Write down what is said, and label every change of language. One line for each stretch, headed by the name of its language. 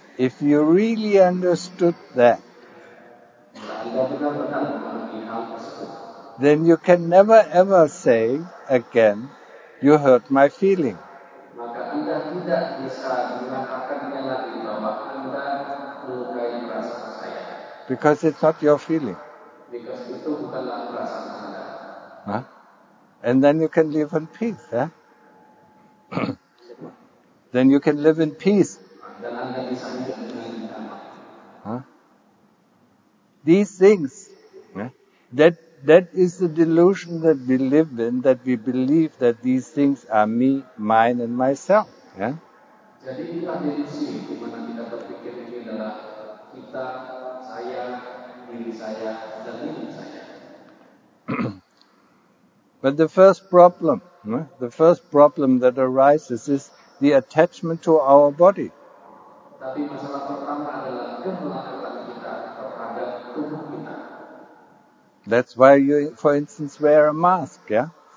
English: If you really understood that,
Indonesian: Anda benar-benar memahami hal tersebut,
English: then you can never ever say again, you hurt my feeling.
Indonesian: Maka Anda tidak bisa mengatakannya lagi bahwa Anda melukai perasaan.
English: Because it's not your feeling. Because
Indonesian: itu bukanlah perasaan Anda. Huh?
English: And then you can live in peace, eh? Then you can live in peace.
Indonesian: Dan Anda bisa hidup dengan damai.
English: Huh? These things, yeah? That is the delusion that we live in, that we believe that these things are me, mine and myself, yeah?
Indonesian: Jadi kita delusi di mana kita berpikir ini adalah kita, saya, diri saya, dan ini saya.
English: But the first problem, the first problem that arises is the attachment to our body.
Indonesian: Tapi masalah pertama adalah kemelekatan kita terhadap tubuh kita.
English: That's why you, for instance, wear a mask, yeah?